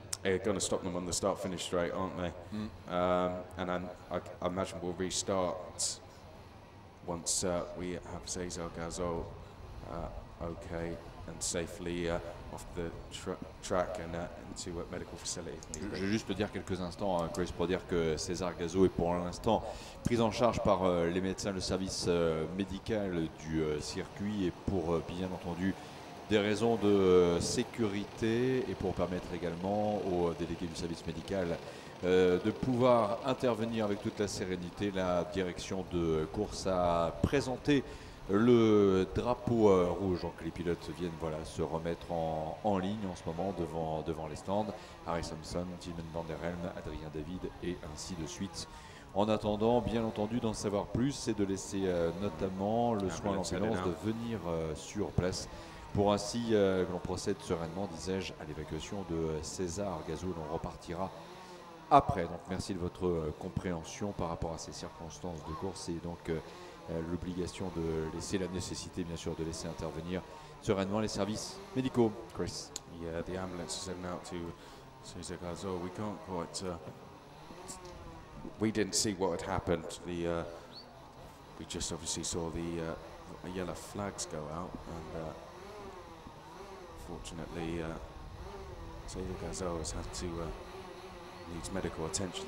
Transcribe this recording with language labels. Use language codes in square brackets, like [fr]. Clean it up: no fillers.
[en] they're going to stop them on the start finish straight, aren't they? And I imagine we'll restart once we have Cesar Gasol okay and safely off the track and into a medical facility. [fr] Je vais juste te dire quelques instants, hein, Chris, pour dire que Cesar Gasol est pour l'instant pris en charge par les médecins, le service médical du circuit, et pour bien entendu des raisons de sécurité et pour permettre également aux délégués du service médical de pouvoir intervenir avec toute la sérénité. La direction de course a présenté le drapeau rouge. Donc les pilotes viennent se remettre en ligne en ce moment devant les stands. Harry Simpson, Tilman Van Der Helm, Adrien David et ainsi de suite. En attendant, bien entendu, d'en savoir plus, c'est de laisser notamment le soin à l'ambulance de venir sur place pour ainsi que l'on procède sereinement, disais-je, à l'évacuation de César Gasol. On repartira après. Donc merci de votre compréhension par rapport à ces circonstances de course. C'est donc l'obligation de laisser, la nécessité bien sûr de laisser intervenir sereinement les services médicaux. Chris. [en] Yeah, the ambulance is heading out to César Gasol. We can't quite we didn't see what had happened. We just obviously saw the yellow flags go out and unfortunately, Cesar Gasol has had to needs medical attention.